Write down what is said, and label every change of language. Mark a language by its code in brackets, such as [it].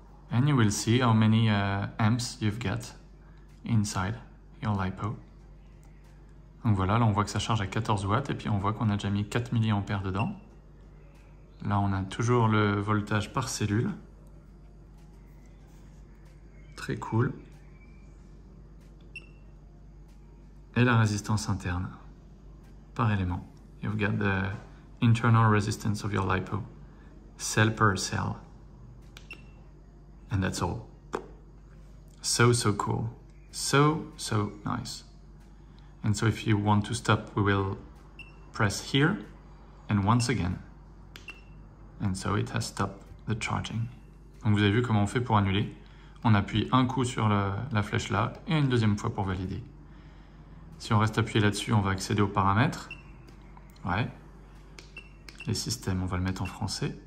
[en] And you will see how many amps you've got inside your LiPo. [fr] Donc voilà, là on voit que ça charge à 14 watts et puis on voit qu'on a déjà mis 4 milliampères dedans. Là on a toujours le voltage par cellule. Très cool. Et la résistance interne par élément. [en] You've got the internal resistance of your LiPo. Cell per cell. And that's all. So, so cool. So, so nice. And so if you want to stop, we will press here and once again. And so it has stopped the charging. [fr] Donc vous avez vu comment on fait pour annuler. On appuie un coup sur la flèche là et une deuxième fois pour valider. Si on reste appuyé là-dessus, on va accéder aux paramètres. Ouais. Les systèmes, on va le mettre en français.